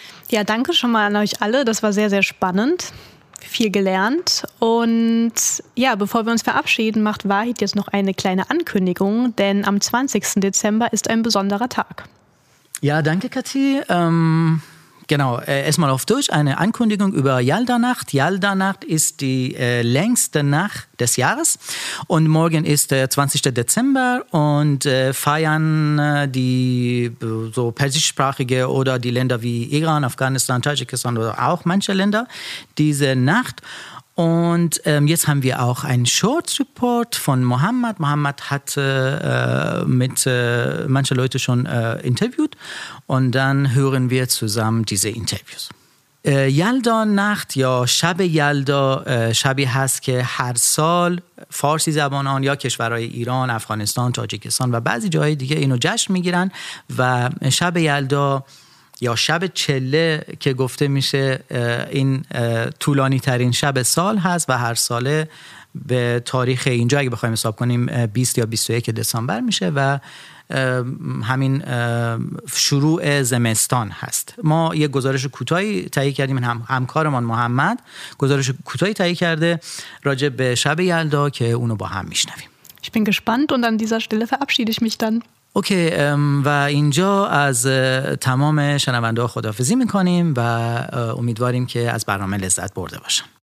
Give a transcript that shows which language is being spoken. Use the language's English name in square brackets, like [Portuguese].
[German] Ja, danke schon mal an euch alle. Das war sehr, sehr spannend. Viel gelernt. Und ja, bevor wir uns verabschieden, macht Wahid jetzt noch eine kleine Ankündigung, denn am 20. Dezember ist ein besonderer Tag. Ja, danke, Kathi. Genau, erstmal auf Deutsch eine Ankündigung über Yalda-Nacht. Yalda-Nacht ist die längste Nacht des Jahres und morgen ist der 20. Dezember und feiern die so persischsprachige oder die Länder wie Iran, Afghanistan, Tadschikistan oder auch manche Länder diese Nacht. Und jetzt haben wir auch einen Short Report von Mohammed. Mohammed hat mit manchen Leuten schon interviewt. Und dann hören wir zusammen diese Interviews. [Persian] یلدانخت یا شب یلدا شبی هست که هر سال فارسی زبانان یا کشورهای ایران، افغانستان، تاجیکستان و بعضی جاهای دیگه اینو جشن میگیرن و شب یلدا یا شب چله که گفته میشه این طولانی ترین شب سال هست و هر ساله به تاریخ اینجا اگه بخوایم حساب کنیم 20 یا 21 دسامبر میشه و همین شروع زمستان هست. ما یک گزارش کوتاهی تهیه کردیم، همکارمان محمد گزارش کوتاهی تهیه کرده راجع به شب یلدا که اونو با هم میشنویم. [German] Ich bin gespannt und an dieser Stelle verabschiede ich mich dann. [Persian] اوکی و اینجا از تمام شنونده ها خداحافظی میکنیم و امیدواریم که از برنامه لذت برده باشن.